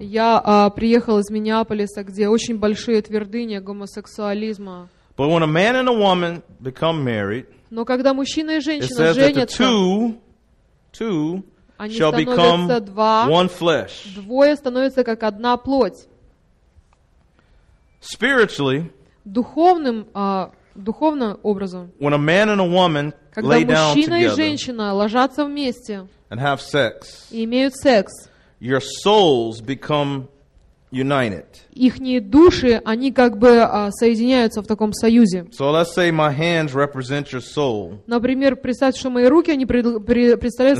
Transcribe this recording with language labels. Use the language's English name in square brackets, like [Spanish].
[Russian] Я приехал из Миннеаполиса, где очень большие твердыни гомосексуализма. [English] But when a man and a woman become married, [Russian] но когда мужчина и женщина женятся, [English] it says that the two shall become one flesh. [Russian] Двое становятся как одна плоть. [English] Spiritually, [Russian] духовным духовным образом. [English] When a man and a woman lay down together, [Russian] когда мужчина и женщина ложатся вместе, [English] and have sex, [Russian] и имеют секс, [English] your souls become united. [Russian] Ихние души, они как бы соединяются в таком союзе. [English] So let's say my hands represent your soul. [Russian] Например, представьте, что мои руки, они представляют